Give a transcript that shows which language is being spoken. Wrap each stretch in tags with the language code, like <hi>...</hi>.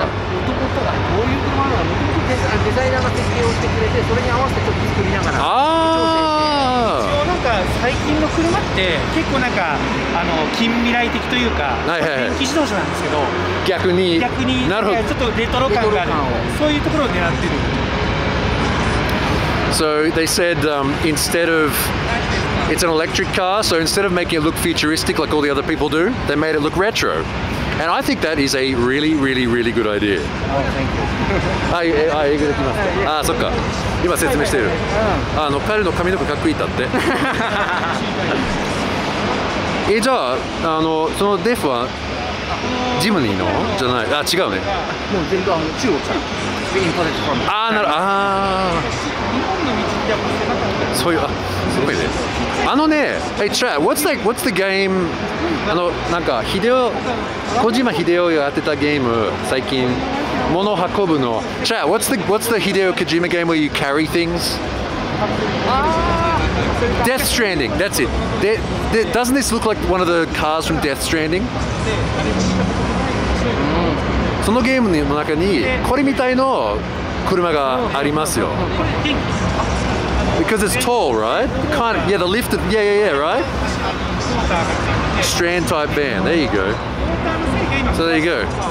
<ja>デザイナーが設計をしてくれて、それに合わせてちょっと作りながら、あ、一応なんか最近の車って結構なんかあの近未来的というか、はいはいはい、電気自動車なんですけど、逆になるほど、ちょっとレトロ感がある、そういうところを狙ってる。</ja> <en>So they said、instead of it's an electric car, so instead of making it look futuristic like all the other people do, they made it look retro. And I think that is a really, really, really good idea. Oh, thank you.</en> <ja>あ、英語できますか？あ、そっか。今説明している。あの、彼の髪の毛かっこいいだって。え、じゃあ、あの、そのデフはジムニーのじゃない。あ、違うね。もう全部あの中国車。インパレットファーム。あ、なる、あ、日本の道ってやっぱ狭かった。そういう、あ、すごいね。あのね、</ja> <en>Hey, Trey, what's the game?</en> <ja>あの、なんか、ヒデオ、小島ヒデオがやってたゲーム、最近、物を運ぶの。</ja> <en>Trey, what's the ヒデオ・コジマ game where you carry things? Death Stranding, that's it. Doesn't this look like one of the cars from Death Stranding?</en> <ja>そのゲームの中に、これみたいの車がありますよ。</ja> <en>Because it's tall, right? Kind of, yeah, the lift, yeah, right? Strand type band, there you go. So there you go.</en>